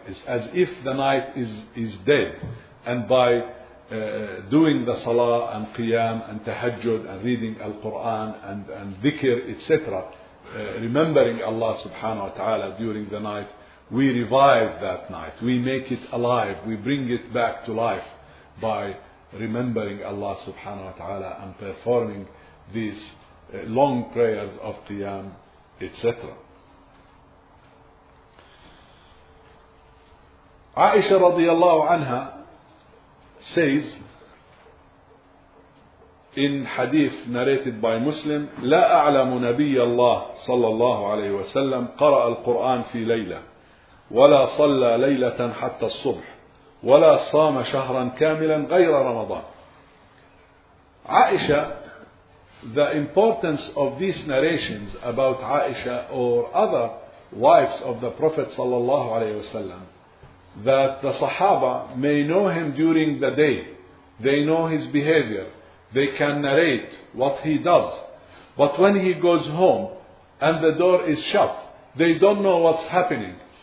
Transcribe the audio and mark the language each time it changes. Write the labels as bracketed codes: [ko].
[en] It's as if the night is dead. And by doing the salah and qiyam and tahajjud and reading al-Quran and dhikr, etc., remembering Allah subhanahu wa ta'ala during the night, we revive that night. We make it alive. We bring it back to life by remembering Allah subhanahu wa ta'ala and performing these long prayers of qiyam, etc. Aisha radiallahu anha says in hadith narrated by Muslim, [ar] لا أعلم نبي الله صلى الله عليه وسلم قرأ القرآن في ليلة ولا صلى ليلة حتى الصبح ولا صام شهرا كاملا غير رمضان. [en] Aisha, the importance of these narrations about Aisha or other wives of the Prophet sallallahu alayhi wasallam, that the Sahaba may know him during the day, they know his behavior, they can narrate what he does, but when he goes home and the door is shut, they don't know what's happening.